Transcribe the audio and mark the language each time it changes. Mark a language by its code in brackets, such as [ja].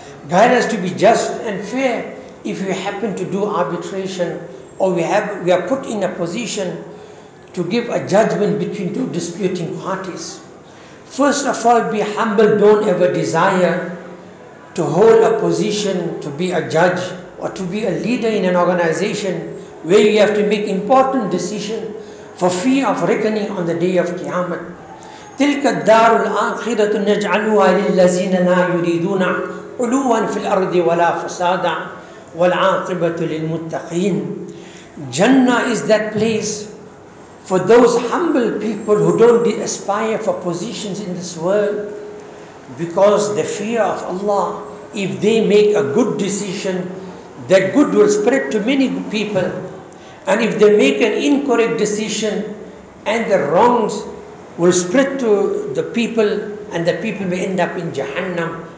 [en] Guide us to be just and fair if we happen to do arbitration, or we are put in a position to give a judgment between two disputing parties. First of all, be humble. Don't ever desire to hold a position to be a judge or to be a leader in an organization where you have to make important decisions for fear of reckoning on the day of Qiyamah. [ar] تلك الدار الآخرة نجعلها للذين لا يريدون علوا في الأرض ولا فسادا والعاقبة للمتقين. [en] Jannah is that place for those humble people who don't aspire for positions in this world, because the fear of Allah, if they make a good decision, that good will spread to many people, and if they make an incorrect decision and the wrongs will spread to the people, and the people may end up in Jahannam.